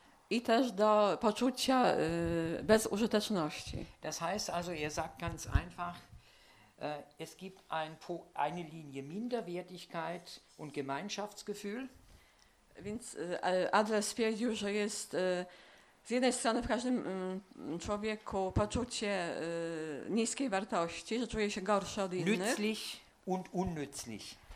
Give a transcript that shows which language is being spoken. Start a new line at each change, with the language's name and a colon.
Polish: I też do poczucia bezużyteczności.
German: Das heißt also, er sagt ganz einfach, es gibt eine Linie Minderwertigkeit und Gemeinschaftsgefühl.
Polish: Więc Adler stwierdził, że jest z jednej strony w każdym człowieku poczucie niskiej wartości, że czuje się gorszy od innych.
German: Nützlich und unnützlich.